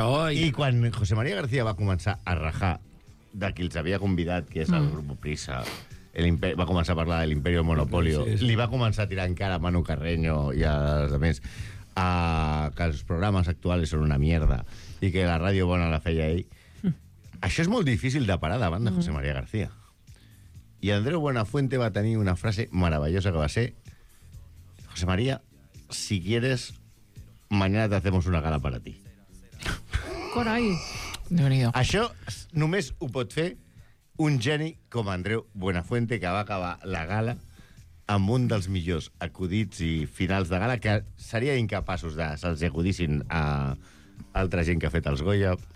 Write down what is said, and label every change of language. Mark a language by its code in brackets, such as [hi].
[ca] I quan José María García va començar a rajar de qui els havia convidat, que és el grup Prisa... va començar a parlar de l'Imperio Monopolio, sí. li va començar a tirar encara a Manu Carreño i a les altres... que els programes actuals són una mierda i que la ràdio bona la feia ell. Això és molt difícil de parar davant de José María García. I Andreu Buenafuente va tenir una frase meravellosa que va ser: [es] José María, si quieres, mañana te hacemos una gala para ti. [ca] Corai! Això només ho pot fer un geni com Andreu Buenafuente, que va acabar la gala amb un dels millors acudits i finals de gala, que seria incapaços de se'ls acudissin a altra gent que ha fet els Goya.